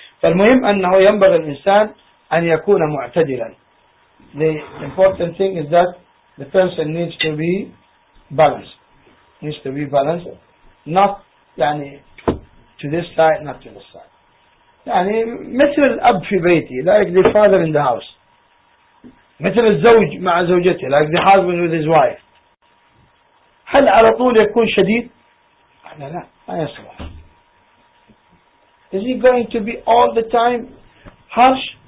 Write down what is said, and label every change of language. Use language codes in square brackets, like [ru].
[ar] فالمهم أنه ينبغي الإنسان أن يكون معتدلا. [en] The important thing is that the person needs to be balanced. Needs to be balanced. Not يعني to this side, not to this side. [ar] يعني مثل الأب في بيتي, [en] like the father in the house. [ar] مثل الزوج مع زوجته, [en] like the husband with his wife. [ar] هل على طول يكون شديد؟ لا لا, ما يصلح. [en] Is he going to be all the time harsh?